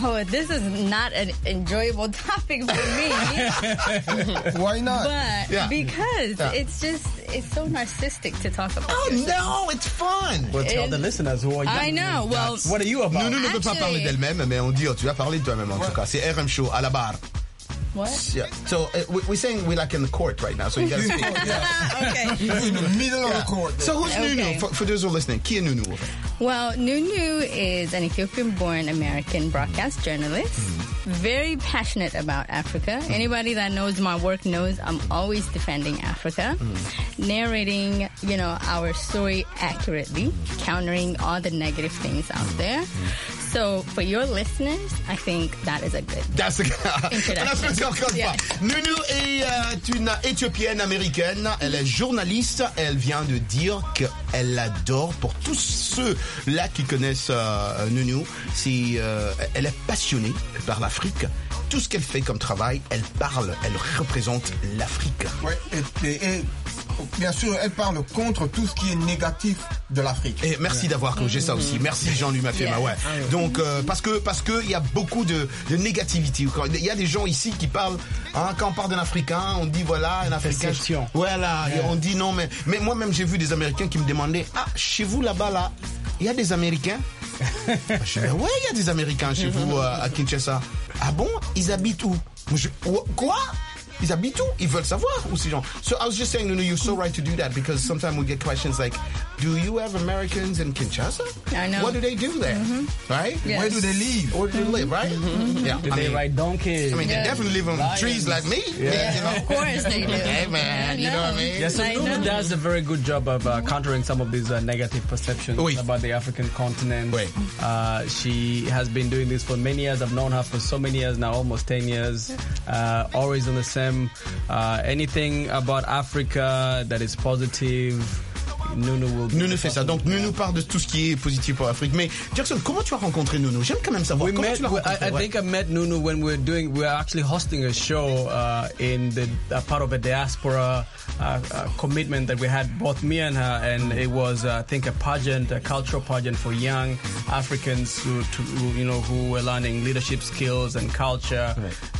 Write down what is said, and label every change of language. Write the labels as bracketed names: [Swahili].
[English] Oh, this is not an enjoyable topic for me. Why not? But because it's so narcissistic to talk about. Oh, no, it's fun. Well, tell the listeners who are you. I know. Well, what are you about? [French] Nounou ne peut pas parler d'elle-même, mais on dit, tu as parlé de toi-même en tout cas. C'est RM Show à la barre. [English] What? Yeah. So we're saying we're like in the court right now. So you got to speak. Okay. In the middle of the court. So who's Nounou? For those who are listening, who is Nounou? Well, Nounou is an Ethiopian-born American broadcast journalist. Very passionate about Africa. Anybody that knows my work knows I'm always defending Africa, narrating, you know, our story accurately, countering all the negative things out there. So for your listeners, I think that is a good introduction. [French] Nounou est une Éthiopienne-Américaine. Elle est journaliste. Elle vient de dire que elle l'adore. Pour tous ceux-là qui connaissent Nounou, elle est passionnée par l'Afrique. Tout ce qu'elle fait comme travail, elle parle, elle représente l'Afrique. Ouais, et bien sûr, elle parle contre tout ce qui est négatif de l'Afrique. Et merci d'avoir corrigé ça aussi. Merci Jean-Louis Mafema. Ouais. Donc parce que il y a beaucoup de négativité. Il y a des gens ici qui parlent. Hein, quand on parle d'un Africain, on dit voilà un Africain. Perception. Voilà. Yeah. Et on dit non mais. Mais moi-même j'ai vu des Américains qui me demandaient ah chez vous là-bas là il y a des Américains. Ouais il y a des Américains chez vous à Kinshasa. Ah bon ils habitent où? Quoi? Ils habitent où? Ils veulent savoir où ces gens. [English] So I was just saying, you know, you're so right to do that because sometimes we get questions like, do you have Americans in Kinshasa? I know. What do they do there? Mm-hmm. Right? Yes. Where do they live? Where do they live, right? Mm-hmm. Yeah. Do they ride donkeys? I mean, they definitely live on lions. Trees like me. Yeah. Yeah. You know? Of course they do. Hey, man. You know what I mean? Yeah, so Nuno does a very good job of countering some of these negative perceptions about the African continent. Wait. She has been doing this for many years. I've known her for so many years now, almost 10 years. Always on the same. Anything about Africa that is positive, Nounou will be. [French] Nounou fait ça. Donc, Nounou parle de tout ce qui est positif pour l'Afrique. Mais, Jackson, comment tu as rencontré Nounou? J'aime quand même savoir. [English] I think I met Nounou when we were actually hosting a show in a part of a diaspora. A commitment that we had, both me and her, and it was, I think, a cultural pageant for young Africans who were learning leadership skills and culture. Right.